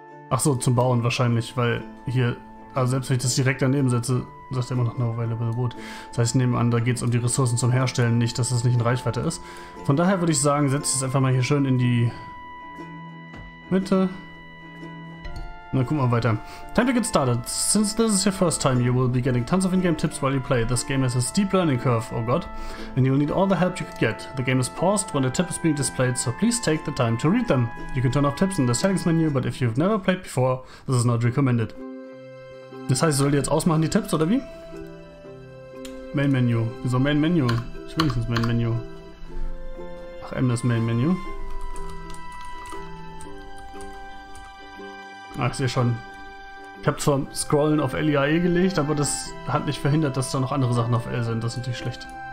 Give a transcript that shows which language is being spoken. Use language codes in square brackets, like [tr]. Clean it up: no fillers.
[de] Ach so, zum Bauen wahrscheinlich, weil hier, also selbst wenn ich das direkt daneben setze, Du sagst immer noch No Available Wood. Das heißt, nebenan, da geht es um die Ressourcen zum Herstellen, nicht, dass es nicht in Reichweite ist. Von daher würde ich sagen, setz es einfach mal hier schön in die Mitte. Na, guck mal weiter. [en] Time to get started. Since this is your first time, you will be getting tons of in-game tips while you play. This game has a steep learning curve, oh god. And you will need all the help you could get. The game is paused when a tip is being displayed, so please take the time to read them. You can turn off tips in the settings menu, but if you've never played before, this is not recommended. [de] Das heißt, soll die jetzt ausmachen, die Tipps, oder wie? Main Menu. Wieso Main Menu? Ich will nicht ins Main Menu. Ach, M ist Main Menu. Ach, ich sehe schon. Ich habe zwar Scrollen auf LIAE gelegt, aber das hat nicht verhindert, dass da noch andere Sachen auf L sind. Das ist natürlich schlecht.